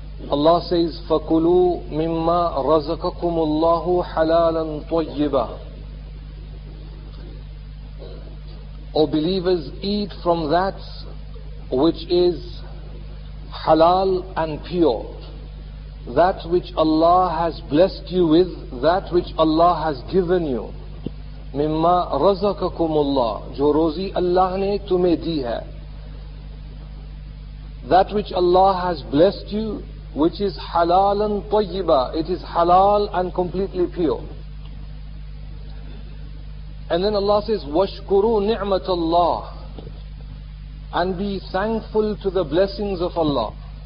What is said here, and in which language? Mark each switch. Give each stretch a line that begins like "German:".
English: Allah says,
Arabic: فَكُلُوا مِمَّا رَزَقَكُمُ اللَّهُ حَلَالًا طَيِّبًا.
English: O believers, eat from that which is halal and pure, that which Allah has blessed you with, that which Allah has given you.
Arabic: مِمَّا رَزَقَكُمُ اللَّهُ
Urdu: جو روزی اللہ نے تمہیں دی ہے.
English: That which Allah has blessed you, which is halalan طَيِّبًا, it is halal and completely pure. And then Allah says,
Arabic: وَشْكُرُوا نِعْمَةَ اللَّهُ,
English: and be thankful to the blessings of Allah.